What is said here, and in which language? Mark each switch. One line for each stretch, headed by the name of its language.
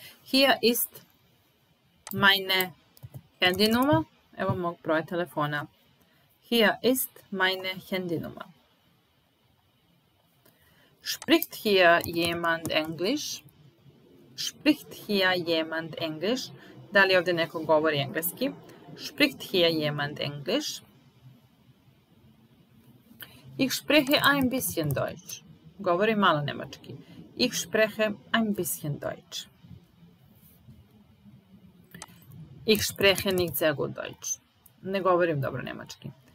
German: Hier ist meine Handynummer.
Serbian: Evo mog broja telefona.
German: Hier ist meine Handynummer. Spricht hier jemand Englisch? Spricht hier jemand Englisch?
Serbian: Da li ovde neko govori engleski?
German: Spricht hier jemand Englisch? Ich spreche ein bisschen Deutsch.
Serbian: Govori malo nemački.
German: Ich spreche ein bisschen Deutsch. Ich spreche nicht sehr gut Deutsch.
Serbian: Ne govorim dobro nemački.